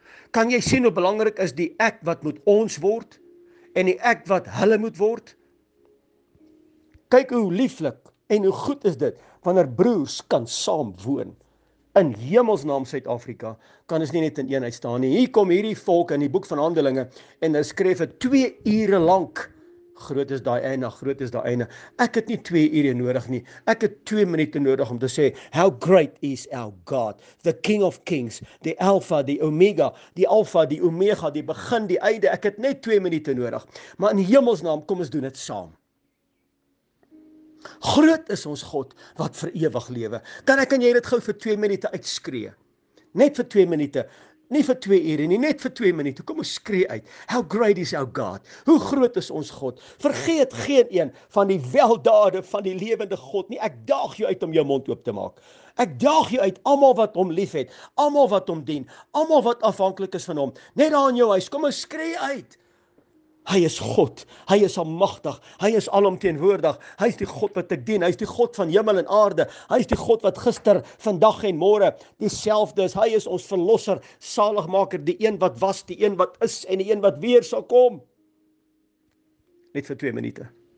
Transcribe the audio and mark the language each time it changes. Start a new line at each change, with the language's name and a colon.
Afrikaans: Kan jy sien hoe belangrik is die ek wat moet ons word? En die ek wat hulle moet word? Kyk hoe lieflik en hoe goed is dit, wanneer broers kan saam woon. In Hemelsnaam Suid-Afrika kan ons nie net in eenheid staan nie. Hier kom hierdie volk in die boek van Handelinge en hulle skree vir 2 ure lank. Groot is daai einde, groot is daai einde. Ek het nie 2 ure nodig nie. Ek het 2 minute nodig om te sê,
English: how great is our God, the King of Kings, the Alpha, the Omega,
Afrikaans: die Alpha, die Omega, die begin, die einde. Ek het net 2 minute nodig. Maar in Hemelsnaam, kom ons doen dit saam. Groot is ons God wat vir ewig lewe. Kan ek en jy dit gou vir 2 minute uitskree? Net vir 2 minute, nie vir 2 ure nie, net vir 2 minute. Kom ons skree uit.
English: How great is our God?
Afrikaans: Hoe groot is ons God? Vergeet geen een van die weldade van die lewende God nie. Ek daag jou uit om jou mond oop te maak. Ek daag jou uit, almal wat hom liefhet, almal wat hom dien, almal wat afhanklik is van hom. Net daar in jou huis, kom ons skree uit. Hy is God, hy is almagtig, hy is alomteenwoordig, hy is die God wat ek dien, hy is die God van hemel en aarde, hy is die God wat gister, vandag en môre dieselfde is, hy is ons verlosser, saligmaker, die een wat was, die een wat is en die een wat weer sal kom. Net vir 2 minute.